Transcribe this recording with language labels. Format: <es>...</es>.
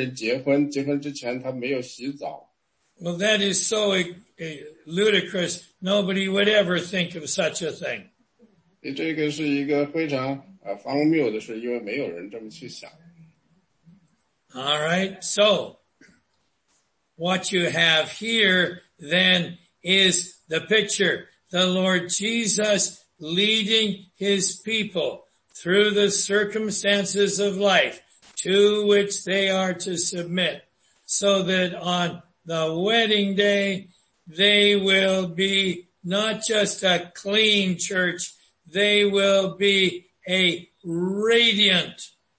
<zh>所以呢，你去想一下一个妇女，在一个农场的院子里工作，成天工作，然后呢，她搞得非常脏，你去想一下，她去跟一个人结婚，结婚之前她没有洗澡。</zh> <en>Well, that is so ludicrous. Nobody would ever think of such a thing.</en> <zh>这个是一个非常荒谬的事，因为没有人这么去想。</zh> <en>All right, so what you have here then is the picture. The Lord Jesus leading his people through the circumstances of life to which they are to submit, so that on the wedding day, they will be not just a clean church, they will be a radiant</en>